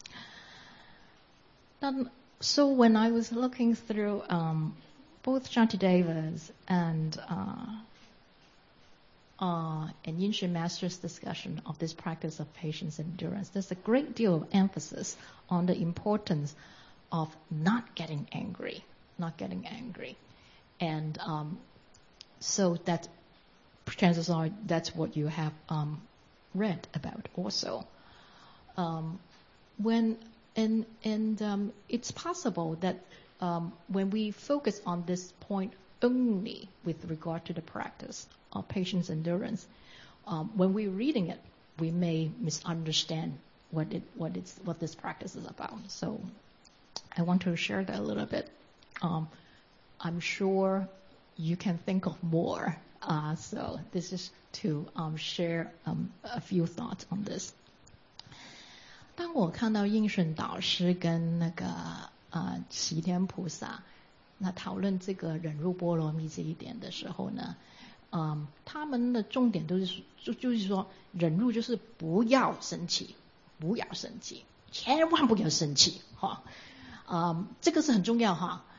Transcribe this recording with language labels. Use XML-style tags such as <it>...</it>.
<zh>那个就不是忍了，所以我说这个叫所谓忍呢，不是真的安忍哈，这个就不是正确的安忍，不是正确的忍辱了，好，因为越忍，我们越所谓忍呢，越生气，那个心不是越来越平静，好，所以我们要把这个这一点记住，好。So</zh> <en>when I was looking through both Shantideva's and Yinshi Master's discussion of this practice of patience and endurance, there's a great deal of emphasis on the importance of not getting angry. And so that, chances are, that's what you have read about also. It's possible that when we focus on this point only with regard to the practice of patience endurance, when we're reading it, we may misunderstand what this practice is about. So I want to share that a little bit. I'm sure you can think of more. So this is to share a few thoughts on this.</en> <zh>当我看到应顺导师跟那个齐天菩萨那讨论这个忍辱波罗蜜这一点的时候呢，他们的重点都是就是说忍辱就是不要生气，不要生气，千万不要生气哈，这个是很重要哈。</zh>